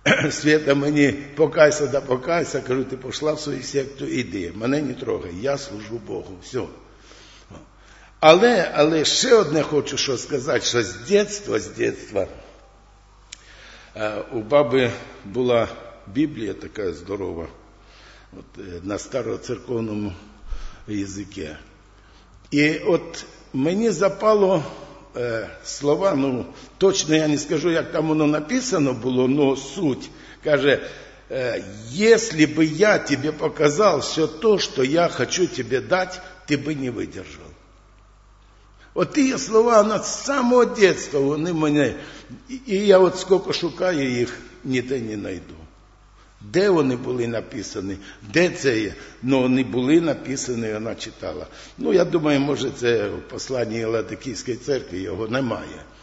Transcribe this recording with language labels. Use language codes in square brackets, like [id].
[uk] Свята мені, покайся, да покайся, кажу, ти пішла в свою секту, іди. Мене не трогай, я служу Богу, все. Але ще одне хочу що сказати, що з дитинства, у баби була Біблія така здорова, от, на староцерковному язикі. І от мені запало слова, ну, точно я не скажу, як там воно написано було, но суть. Каже, [ru] «Если бы я тебе показал все то, что я хочу тебе дать, ти би не выдержал». [uk] От ті слова, вона з самого дитинства, вони мені, і я от скільки шукаю їх, ніде не найду. Де вони були написані, де це є, ну, вони були написані, вона читала. Ну, я думаю, може, це в посланні Ладикійської церкви, його немає.